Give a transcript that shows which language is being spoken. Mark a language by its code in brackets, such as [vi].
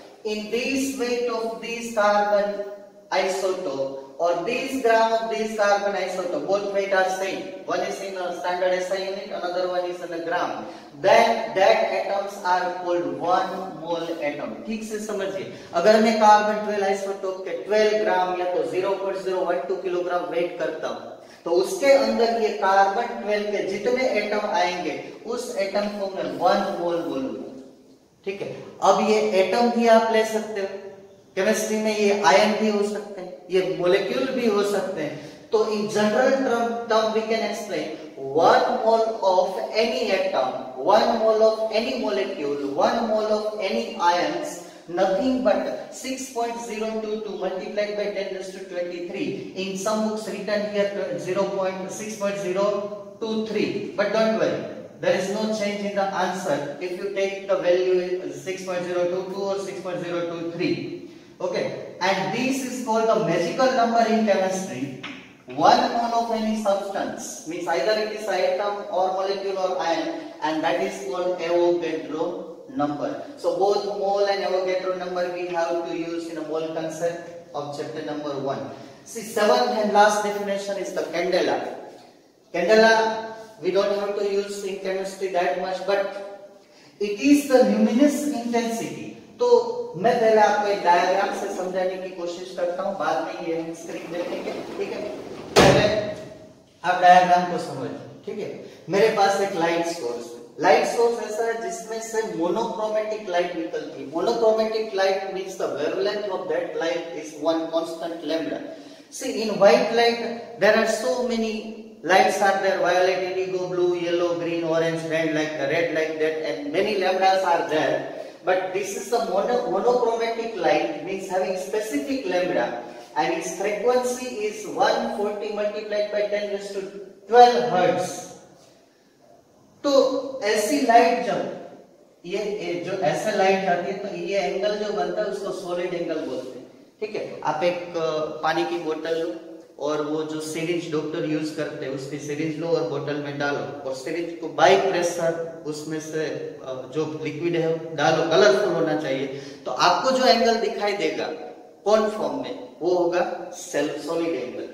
[en] In this weight of this carbon isotope or this gram of this carbon isotope, both weight are same. One is in a standard SI unit, another one is in a gram. Then that atoms are called one mole atom. [hi] ठीक से समझिए. अगर मैं carbon 12 isotope के 12 ग्राम या तो 0.012 kilogram weight करता हूं तो उसके अंदर ये कार्बन 12 के जितने एटम आएंगे उस एटम को मैं वन मोल बोलूंगा. ठीक है, अब ये एटम भी आप ले सकते हो केमिस्ट्री में, ये आयन भी हो सकते हैं, ये मोलेक्यूल भी हो सकते हैं. [en] तो in general term we can explain one mole of any atom, one mole of any molecule, one mole of any ions nothing but 6.022 multiplied by 10 raise to 23. In some books written here 0.6023, but don't worry, there is no change in the answer if you take the value 6.022 और 6.023. Okay, and this is called the magical number in chemistry. One mole of any substance means either it is atom or molecule or ion, and that is called Avogadro number. So both mole and Avogadro number we have to use in a mole concept of chapter number 1. See, seventh and last definition is the candela. Candela we don't have to use in chemistry that much, but it is the luminous intensity. [hi] तो मैं पहले आपको एक diagram से समझाने की कोशिश करता हूं, बाद में ये हम स्क्रीन देखेंगे. ठीक है, आप डायग्राम को समझ. ठीक है, मेरे पास एक लाइट सोर्स है. लाइट सोर्स ऐसा है जिसमें से मोनोक्रोमेटिक लाइट निकलती है. [en] Monochromatic light means the wavelength of that light is one constant lambda. See, in white light there are so many lights are there, violet, indigo, blue, yellow, green, orange, red light, red like that, and many lambdas are there. But this is the monochromatic light means having specific lambda. And its frequency is 140 multiplied by 10 raised to 12 hertz. [hi] तो ऐसी light जब ये जो ऐसा light जाती है तो ये एंगल जो बनता है उसको सॉलिड एंगल बोलते हैं। ठीक है, आप एक पानी की बोतल लो और वो जो सिरिंज डॉक्टर यूज करते हैं उसकी सिरिंज लो और बोतल में डालो और सिरिंज को बाय प्रेशर उसमें से जो लिक्विड है डालो, कलरफुल होना चाहिए, तो आपको जो एंगल दिखाई देगा कौन फॉर्म में वो होगा सेल्फ सॉलिड एंगल।